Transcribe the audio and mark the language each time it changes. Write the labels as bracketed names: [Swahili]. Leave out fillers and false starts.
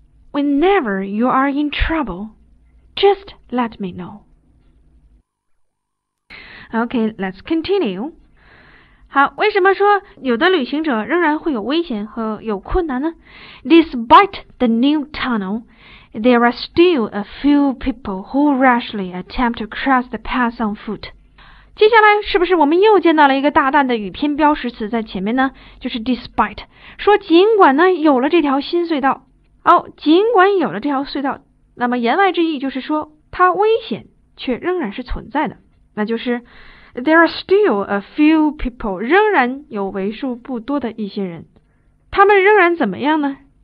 [English] Whenever you are in trouble, just let me know. Okay, let's continue. [Chinese] 好，为什么说有的旅行者仍然会有危险和有困难呢？ [English] Despite the new tunnel, there are still a few people who rashly attempt to cross the path on foot. [Chinese] 接下来是不是我们又见到了一个大大的语篇标识词在前面呢？就是 despite, 说尽管呢有了这条新隧道。哦，尽管有了这条隧道，那么言外之意就是说它危险却仍然是存在的，那就是 [English] There are still a few people, [Chinese] 仍然有为数不多的一些人，他们仍然怎么样呢？